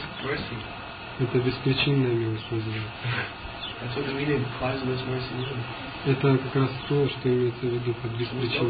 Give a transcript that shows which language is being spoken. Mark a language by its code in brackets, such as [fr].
[ru] Это беспричинная милость называется. [en] That's what the meaning of causeless mercy is. [ru] Это как раз то, что имеется в виду под беспричинной